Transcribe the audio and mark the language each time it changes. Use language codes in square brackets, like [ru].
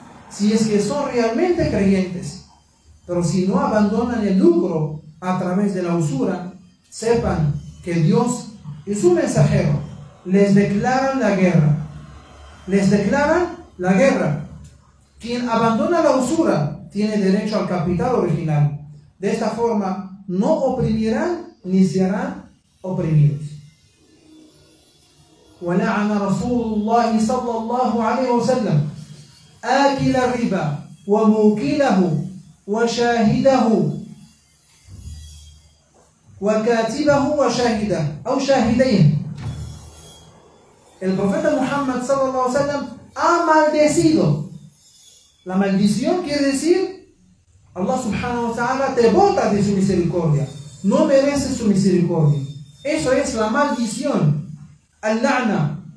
[es] Si es que son realmente creyentes, pero si no abandonan el lucro a través de la usura, sepan que Dios y su mensajero les declaran la guerra. Quien abandona la usura tiene derecho al capital original. De esta forma, no oprimirán ni serán oprimidos. [ar] ولعن رسول الله صلى الله عليه وسلم آكل الربا وموكله وشاهده وكاتبه وشاهده أو شاهدين. [es] El profeta Muhammad [ar] صلى الله عليه وسلم [es] ha maldecido. La maldición quiere decir: Allah subhanahu wa ta'ala te bota de su misericordia. No mereces su misericordia. Eso es la maldición. Al-la'na.